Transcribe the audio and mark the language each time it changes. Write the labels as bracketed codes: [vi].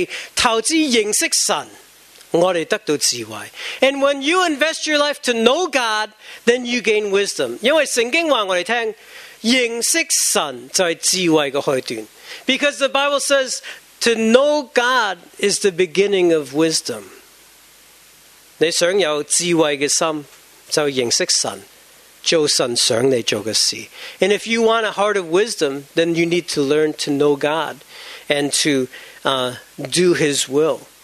[zh] 当我们将我们的生命投资认识神, 我们得到智慧。 [en] And when you invest your life to know God, then you gain wisdom. [zh] 因为圣经告诉我们, 认识神就是智慧的开端。 [en] Because the Bible says, to know God is the beginning of wisdom. [zh] 你想有智慧的心,就认识神, 做神想你做的事。 [en] And if you want a heart of wisdom, then you need to learn to know God and to do His will.